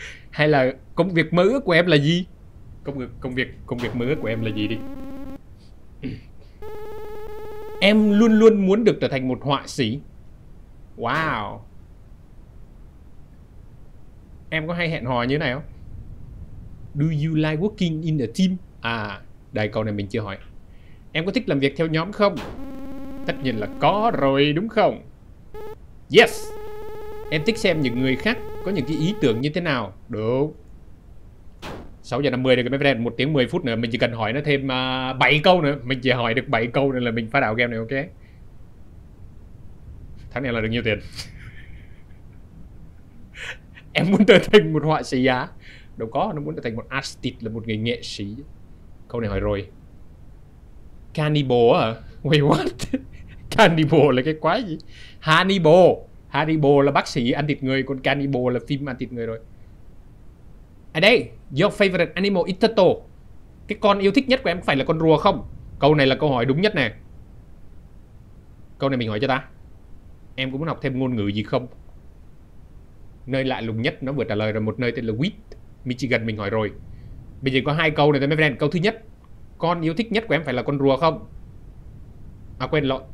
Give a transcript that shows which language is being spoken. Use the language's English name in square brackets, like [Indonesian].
[Vietnamese] Hay là công việc mơ ước của em là gì? Công việc mơ ước của em là gì đi? Em luôn luôn muốn được trở thành một họa sĩ. Wow. Em có hay hẹn hò như thế này không? [English] Do you like working in a team? [Vietnamese] À, đây câu này mình chưa hỏi. Em có thích làm việc theo nhóm không? Tất nhiên là có rồi, đúng không? Yes. Em thích xem những người khác có những cái ý tưởng như thế nào. Đúng. 6 giờ 50 rồi, mấy friend. 1 tiếng 10 phút nữa. Mình chỉ cần hỏi nó thêm 7 câu nữa. Mình chỉ hỏi được 7 câu nữa là mình phá đảo game này, ok? Tháng này là được nhiêu tiền? Em muốn trở thành một họa sĩ á? Đâu có. Nó muốn trở thành một artist, là một người nghệ sĩ. Câu này hỏi rồi. Cannibal à? [English] Wait, what? [Vietnamese] Cannibal là cái quái gì? Hannibal. Hannibal là bác sĩ ăn thịt người, còn Cannibal là phim ăn thịt người rồi. À đây, [English] your favorite animal is turtle. [Vietnamese] Cái con yêu thích nhất của em có phải là con rùa không? Câu này là câu hỏi đúng nhất nè. Câu này mình hỏi cho ta. Em có muốn học thêm ngôn ngữ gì không? Nơi lạ lùng nhất nó vừa trả lời rồi, một nơi tên là Wheat, Michigan mình hỏi rồi. Bây giờ có hai câu này thôi mấy friend. Câu thứ nhất, con yêu thích nhất của em phải là con rùa không? À quên, lộn.